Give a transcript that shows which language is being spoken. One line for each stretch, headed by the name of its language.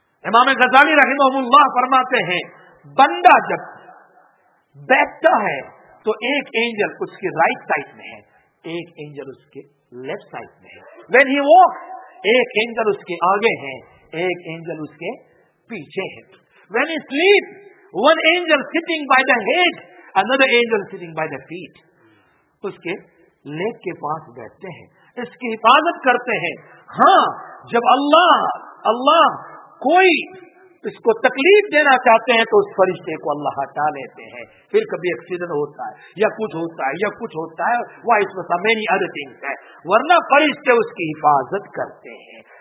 Urdu: امام غزالی رحمہ اللہ فرماتے ہیں بندہ جب بیٹھتا ہے تو ایک اینجل اس کی رائٹ سائڈ میں ہے, ایک اینجل اس کے لیفٹ سائڈ میں ہے.
English: When he walks,
Urdu: ایک اینجل اس کے آگے ہے, ایک اینجل اس کے پیچھے ہے.
English: When he sleeps, one angel sitting by the head, another angel sitting by the feet.
Urdu: اس کے لیگ کے پاس بیٹھتے ہیں, اس کی حفاظت کرتے ہیں. ہاں جب اللہ کوئی اس کو تکلیف دینا چاہتے ہیں تو اس فرشتے کو اللہ ہٹا لیتے ہیں. پھر کبھی ایکسیڈنٹ ہوتا ہے یا کچھ ہوتا ہے یا کچھ ہوتا ہے, وہ اس میں
English: many other things
Urdu: ہے, ورنہ فرشتے اس کی حفاظت کرتے ہیں.